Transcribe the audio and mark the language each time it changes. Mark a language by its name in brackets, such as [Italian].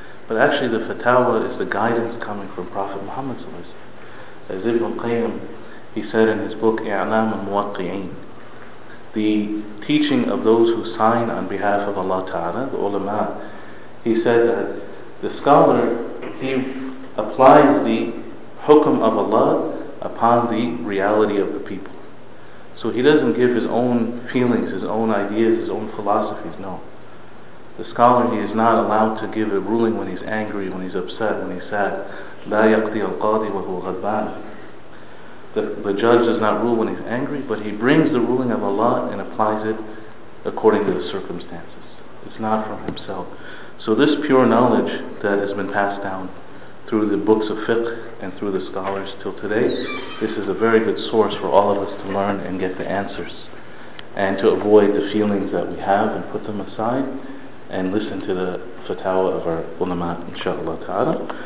[English] But actually the fatawa is the guidance coming from Prophet Muhammad sallallahu alaihi wasallam. As Ibn Qayyim, he said in his book, I'lam al-Muwaqqi'in, the teaching of those who sign on behalf of Allah Ta'ala, the ulama, he said that the scholar, he applies the hukum of Allah upon the reality of the people. So he doesn't give his own feelings, his own ideas, his own philosophies, no. The scholar, he is not allowed to give a ruling when he's angry, when he's upset, when he's sad. [Arabic] لا يقضي القاضي وهو غضبان. [English] The judge does not rule when he's angry, but he brings the ruling of Allah and applies it according to the circumstances. It's not from himself. So this pure knowledge that has been passed down through the books of fiqh and through the scholars till today, this is a very good source for all of us to learn and get the answers, and to avoid the feelings that we have and put them aside and listen to the fatawa of our ulama, inshaAllah ta'ala.